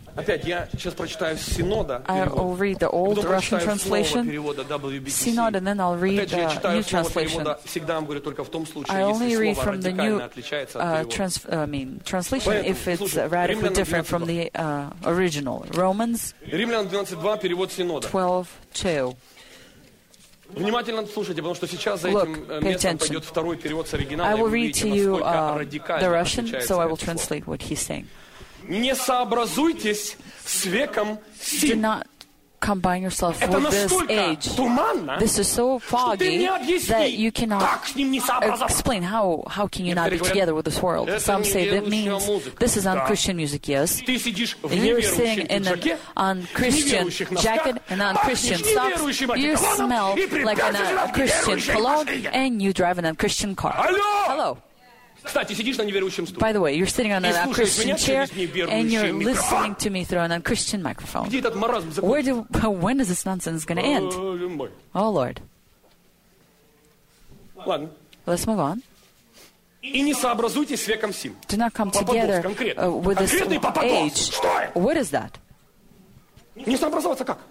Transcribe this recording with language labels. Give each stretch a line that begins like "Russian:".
Russian: Опять я сейчас прочитаю синода.
English: I'll read the old Russian translation. Синода, then I'll read the new translation. Всегда говорю только в том случае, если слово радикально отличается от его. I mean translation if it's radically different from the original. Romans.
Russian: Римлян 12:2 перевод синода. 12:2. Внимательно слушайте, потому что сейчас за этим местом пойдет второй перевод с оригинала.
English: I will read to you the Russian, so I will translate what he's saying.
Russian: Не сообразуйтесь с веком сим.
English: Do not combine yourself with this age. This is so foggy that you cannot explain how can you not be together with this world. Some say that means this is unchristian music, yes. And you're sitting in an unchristian jacket and unchristian socks. You smell like an unchristian cologne and you drive an unchristian car. Hello.
Russian: Кстати, сидишь на неверующем стуле.
English: By the way, you're sitting on an unchristian chair and you're listening to me through an unchristian microphone.
Russian: Где этот маразм закончится?
English: When is this nonsense going to end? Oh, Lord.
Russian: Ладно.
English: Let's move on.
Russian: И не сообразуйтесь с веком сим.
English: Do not come together with this age.
Russian: Что это?
English: What is that?
Russian: Не сообразоваться как?